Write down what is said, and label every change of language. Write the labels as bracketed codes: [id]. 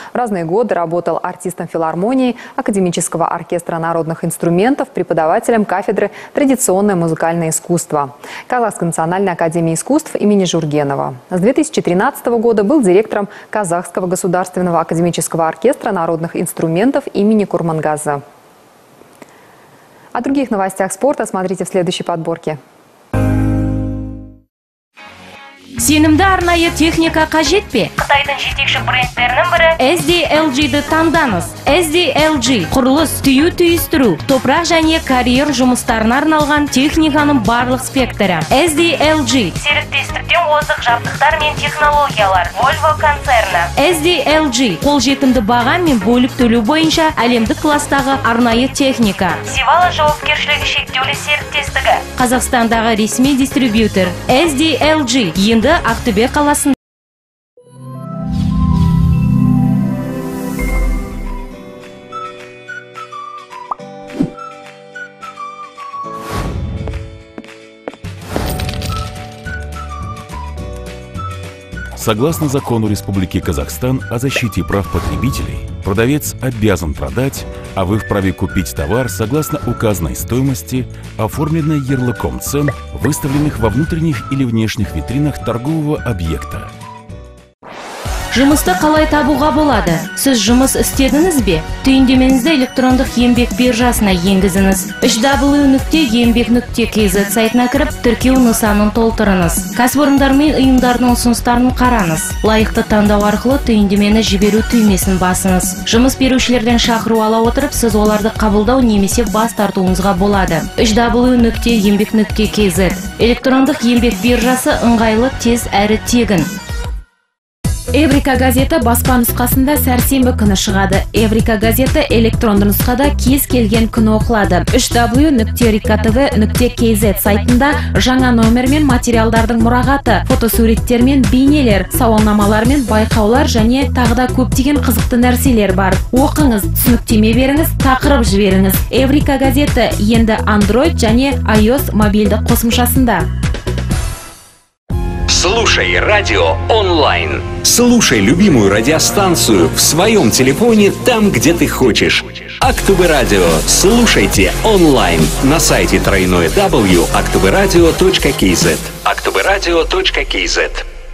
[ru] В разные годы работал артистом филармонии, академического оркестра народных инструментов, преподавателем кафедры традиционной музыкальное искусство Казахской национальной академии искусств имени Жургенова. С 2013 года был директором Казахского государственного академического оркестра народных инструментов имени Курмангазы. О других новостях спорта смотрите в следующей подборке. [kk] Сенімді арнайы техника қажет пе? Қытайдың жетекші брендтерінің бірі SDLG-ді таңдаңыз. SDLG – құрылыс, түйістіру, топырақ және карьер жұмыстарын арналған техниканың барлық спектрі. SDLG – серіктестіктен озық жабдықтар мен технологиялар. Volvo концерні. SDLG – қолжетімді баған мен бөліп төлі бойынша әлемдік кластағы арнайы техника. Севалы жауапкершілігі шектеулі серіктестігі. Қазақстандағы ресми дистрибьютор. SDLG – енді Ақтөбе қаласын. [ru] Согласно закону Республики Казахстан о защите прав потребителей, продавец обязан продать, а вы вправе купить товар согласно указанной стоимости, оформленной ярлыком цен, выставленных во внутренних или внешних витринах торгового объекта. [kk] Жұмысты қалай табуға болады? Сіз жұмыс істедіңіз бе? Түйіндемеңізді электрондық еңбек биржасына енгізіңіз. www.yembek.kz сайтына кіріп, тіркеу нысанын толтырыңыз. Кәсіпорындар мен ұйымдардың ұсыныстарын қараңыз. Лайықты таңдау арқылы түйіндемені жіберу түймесін басыңыз. Жұмыс берушілерден шақыру ала отырып, сіз оларды қабылдау немесе бас тартуыңызға болады. www.yembek.kz электрондық еңбек биржасы ыңғайлы, тез әрі тегін. Еврика газеті баспа нұсқасында сәрсенбі күні шығады. Еврика газеті электронды нұсқада кез келген күні оқылады. www.rikatv.kz сайтында жаңа номер мен материалдардың мұрағаты, фотосуреттер мен бейнелер, сауалнамалар мен байқаулар және тағыда көптеген қызықты нәрселер бар. Оқыңыз, түсініктеме беріңіз, тақырып жіберіңіз. Еврика газеті енді Android және iOS мобильді қосымшасында. [ru] Слушай радио онлайн. Слушай любимую радиостанцию в своем телефоне там, где ты хочешь. Актобе радио. Слушайте онлайн на сайте www.aktoberadio.kz. www.aktoberadio.kz.